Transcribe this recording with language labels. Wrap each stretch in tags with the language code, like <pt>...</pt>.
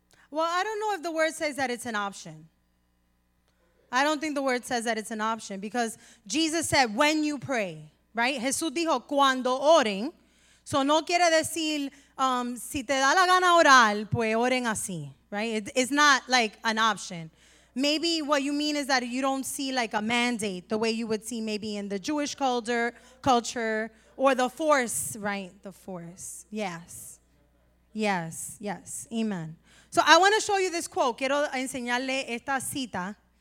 <en>Well, I don't know if the word says that it's an option. I don't think the word says that it's an option because Jesus said, when you pray, right?</en> <es>Jesús dijo, cuando oren. So no quiere decir, si te da la gana orar, pues oren así, right?</es> <en>It's not like an option. Maybe what you mean is that you don't see like a mandate the way you would see maybe in the Jewish culture or the force, right? The force, yes, yes, yes, amen. So I want to show you this quote.</en> <es>Quiero enseñarle esta cita.</es>